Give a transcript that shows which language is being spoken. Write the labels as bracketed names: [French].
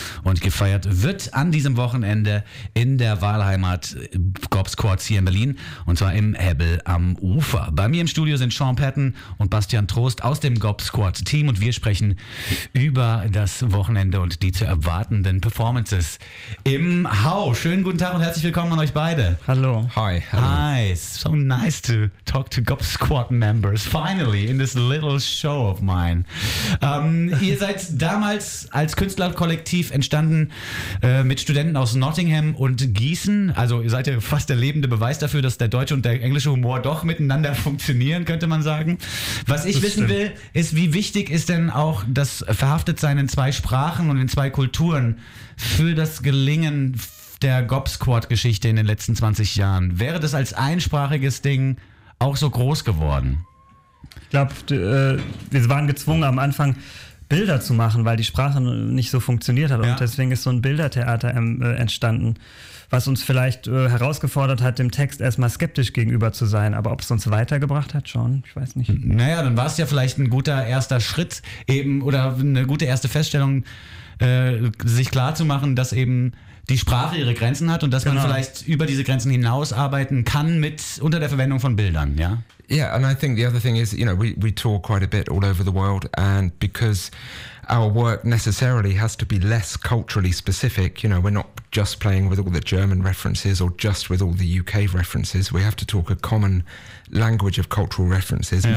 [German] Und gefeiert wird an diesem Wochenende in der Wahlheimat Gob Squad hier in Berlin, und zwar im Hebbel am Ufer. Bei mir im Studio sind Sean Patton und Bastian Trost aus dem Gob Squad Team und wir sprechen über das Wochenende und die zu erwartenden Performances im Hau. Schönen guten Tag und herzlich willkommen an euch beide. Hallo. [English] Hi. Hi. So nice to talk to Gob Squad members finally in this little show of mine. [German] Ihr seid damals als Künstlerkollektiv entstanden mit Studenten aus Nottingham und Gießen. Also seid ihr fast der lebende Beweis dafür, dass der deutsche und der englische Humor doch miteinander funktionieren, könnte man sagen. Was ich wissen will, ist, wie wichtig ist denn auch das Verhaftetsein in 2 Sprachen und in 2 Kulturen für das Gelingen der Gob Squad-Geschichte in den letzten 20 Jahren? Wäre das als einsprachiges Ding auch so groß geworden? Ich glaube, wir waren gezwungen, am Anfang Bilder zu machen, weil die Sprache nicht so funktioniert hat. Ja. Und deswegen ist so ein Bildertheater entstanden, was uns vielleicht herausgefordert hat, dem Text erstmal skeptisch gegenüber zu sein. Aber ob es uns weitergebracht hat, schon, ich weiß nicht. Naja, dann war es ja vielleicht ein guter erster Schritt eben, oder eine gute erste Feststellung, sich klarzumachen, dass eben die Sprache ihre Grenzen hat und dass man vielleicht über diese Grenzen hinaus arbeiten kann mit unter der Verwendung von Bildern, ja? [English] Yeah, and I think the other thing is, you know, we tour quite a bit all over the world, and because our work necessarily has to be less culturally specific, you know, we're not just playing with all the German references or just with all the UK references. We have to talk a common language of cultural references. Yeah.